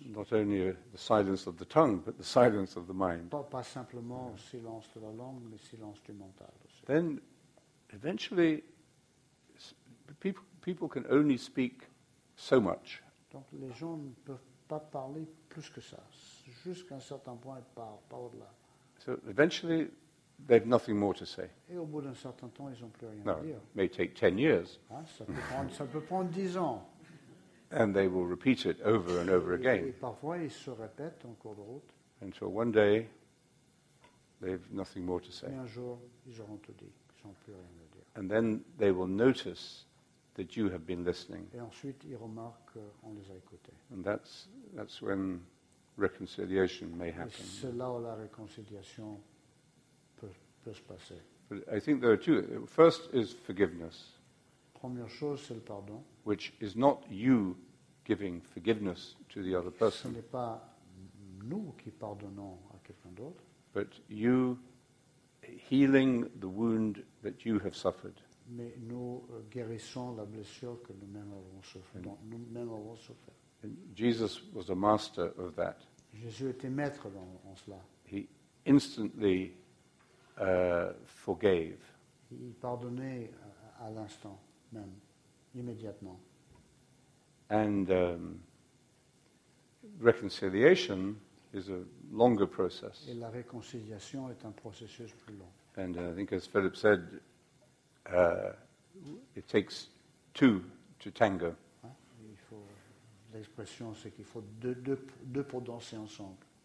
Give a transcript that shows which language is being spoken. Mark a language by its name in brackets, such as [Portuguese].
[English] Not only the silence of the tongue, but the silence of the mind. [French] Pas simplement le silence de la langue, mais le silence du mental. [English] Then, eventually, people can only speak so much. [French] Donc les gens ne peuvent pas parler plus que ça, jusqu'à un certain point, pas au-delà. [English] So eventually, they have nothing more to say. [French] Et au bout d'un certain temps, ils n'ont plus rien à dire. [English] No, may take 10 years. [French] Ça peut prendre 10 ans. [English] And they will repeat it over and over again. [French] Et parfois, ils se répètent en cours de route. [English] Until one day, they have nothing more to say. [French] Et un jour, ils auront tout dit. Ils n'ont plus rien à dire. [English] And then they will notice that you have been listening. [French] Et ensuite, ils remarquent qu'on les a écoutés. [English] And that's when reconciliation may happen. [French] Et c'est là où la réconciliation peut se passer. [English] But I think there are two. First is forgiveness. [French] Première chose, c'est le pardon. [English] Which is not you giving forgiveness to the other person. [French] Ce n'est pas nous qui pardonnons à quelqu'un d'autre. [English] But you healing the wound that you have suffered. [French] Mais nous guérissons la blessure que nous-mêmes avons souffert. [English] And Jesus was a master of that. [French] Jésus était maître dans cela. [English] He instantly forgave. [French] Il pardonnait à l'instant même. Immédiatement. [English] And reconciliation is a longer process. [French] Et la réconciliation est un processus plus long. [English] And I think, as Philip said, it takes two to tango. [French] Il faut, l'expression, c'est qu'il faut deux pour danser ensemble.